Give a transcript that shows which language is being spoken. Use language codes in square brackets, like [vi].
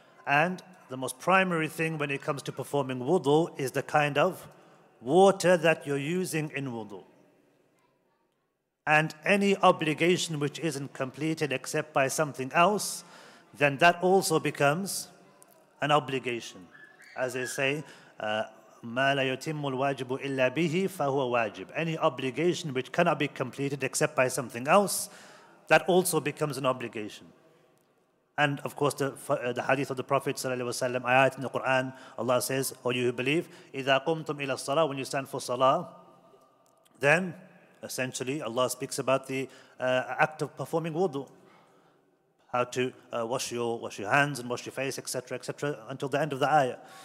[en] And the most primary thing when it comes to performing wudu is the kind of water that you're using in wudu. And any obligation which isn't completed except by something else, then that also becomes an obligation. As they say, [ar] ما لا يتم الواجب إلا به فهو واجب. [en] Any obligation which cannot be completed except by something else, that also becomes an obligation. And of course, the hadith of the Prophet ﷺ, ayat in the Quran, Allah says, "O you who believe, [ar] إِذَا قُمْتُمْ إِلَى الصَّلَاةِ, [en] when you stand for salah, then essentially Allah speaks about the act of performing wudu, how to wash your hands and wash your face, etc., etc., until the end of the ayah.